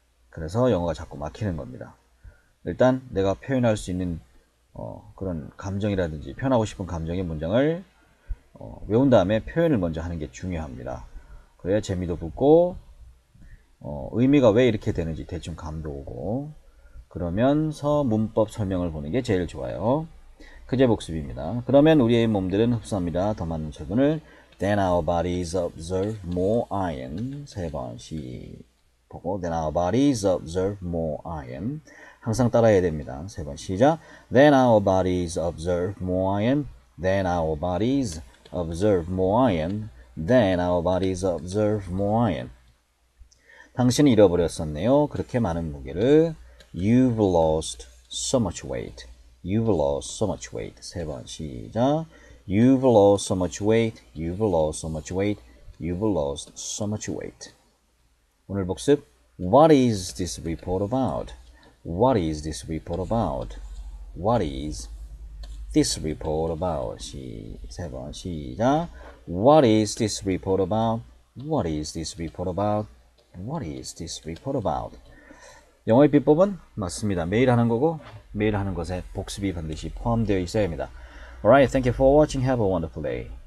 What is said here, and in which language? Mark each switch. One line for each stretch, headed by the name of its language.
Korean: 그래서 영어가 자꾸 막히는 겁니다. 일단 내가 표현할 수 있는 그런 감정이라든지 표현하고 싶은 감정의 문장을 외운 다음에 표현을 먼저 하는 게 중요합니다. 그래야 재미도 붙고 의미가 왜 이렇게 되는지 대충 감도 오고 그러면서 문법 설명을 보는 게 제일 좋아요. 그제 복습입니다. 그러면 우리의 몸들은 흡수합니다. 더 많은 철분을
English: Then our bodies absorb more iron.
Korean: 세 번씩 보고
English: Then our bodies absorb more iron.
Korean: 항상 따라해야 됩니다. 세 번 시작.
English: Then our bodies absorb more iron. Then our bodies absorb more iron. Then our bodies observe more iron.
Korean: 당신이 잃어버렸었네요. 그렇게 많은 무게를.
English: You've lost so much weight. You've lost so much weight.
Korean: 세 번, 시작.
English: You've lost so much weight. You've lost so much weight. You've lost so much weight.
Korean: 오늘 복습.
English: What is this report about? What is this report about? What is this report about?
Korean: 세 번, 시작.
English: What is this report about? What is this report about? What is this report about?
Korean: 영어의 비법은 맞습니다. 매일 하는 거고 매일 하는 것에 복습이 반드시 포함되어 있어야 합니다.
English: Alright, thank you for watching. Have a wonderful day.